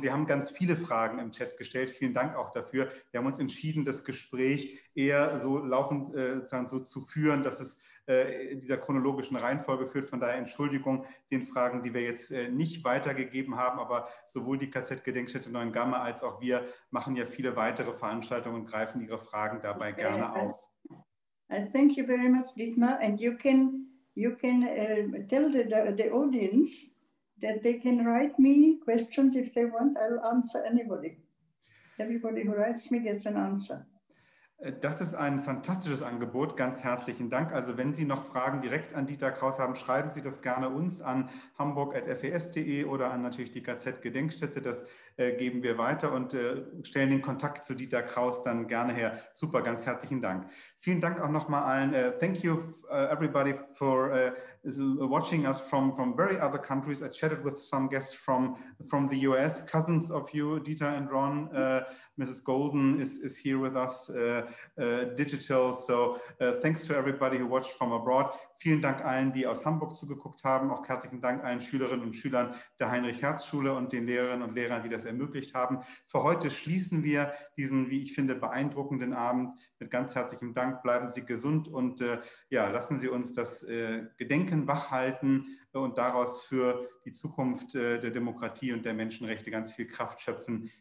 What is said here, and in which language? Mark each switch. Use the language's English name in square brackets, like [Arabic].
[German] Sie haben ganz viele Fragen im Chat gestellt. Vielen Dank auch dafür. Wir haben uns entschieden, das Gespräch eher so laufend so zu führen, dass es in dieser chronologischen Reihenfolge führt. Von daher Entschuldigung den Fragen, die wir jetzt nicht weitergegeben haben. Aber sowohl die KZ-Gedenkstätte Neuengamme als auch wir machen ja viele weitere Veranstaltungen und greifen Ihre Fragen dabei gerne auf. [English] Thank you very much, Dietmar. And you can tell the audience that they can write me questions if they want. I'll answer anybody. Everybody who writes me gets an answer. [German] Das ist ein fantastisches Angebot. Ganz herzlichen Dank. Also wenn Sie noch Fragen direkt an Dieter Kraus haben, schreiben Sie das gerne uns an hamburg@fes.de oder an natürlich die KZ-Gedenkstätte. Das geben wir weiter und stellen den Kontakt zu Dieter Kraus dann gerne her. Super, ganz herzlichen Dank. Vielen Dank auch nochmal allen. [English] Thank you everybody for watching us from very other countries. I chatted with some guests from the US, cousins of you, Dieter and Ron. Mrs. Golden is here with us digital. So thanks to everybody who watched from abroad. [German] Vielen Dank allen, die aus Hamburg zugeguckt haben. Auch herzlichen Dank allen Schülerinnen und Schülern der Heinrich-Hertz-Schule und den Lehrerinnen und Lehrern, die das ermöglicht haben. Für heute schließen wir diesen, wie ich finde, beeindruckenden Abend mit ganz herzlichem Dank. Bleiben Sie gesund und lassen Sie uns das Gedenken wachhalten und daraus für die Zukunft der Demokratie und der Menschenrechte ganz viel Kraft schöpfen.